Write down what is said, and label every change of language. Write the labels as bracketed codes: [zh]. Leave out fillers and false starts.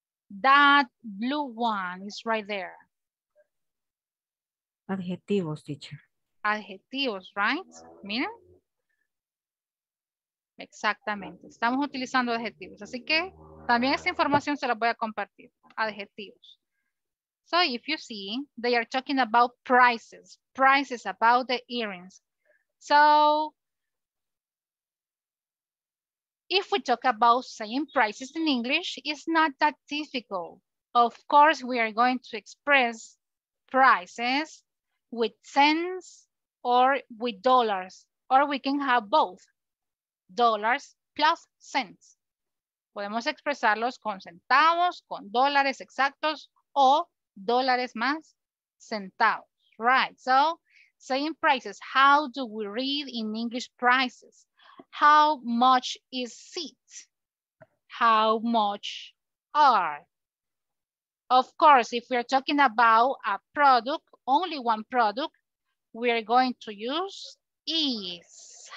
[en] That blue one is right there. [es] Adjetivos, teacher. Adjetivos, right? Miren. Exactamente. Estamos utilizando adjetivos. Así que también esta información se la voy a compartir. Adjetivos. [en] So if you see, they are talking about prices. Prices about the earrings. So if we talk about saying prices in English, it's not that difficult. Of course, we are going to express prices with cents or with dollars, or we can have both, dollars plus cents. [es] Podemos expresarlos con centavos, con dólares exactos, o dólares más centavos, right? [en] So, saying prices, how do we read in English prices? How much is seat? How much are? Of course, if we're talking about a product, only one product, we are going to use is.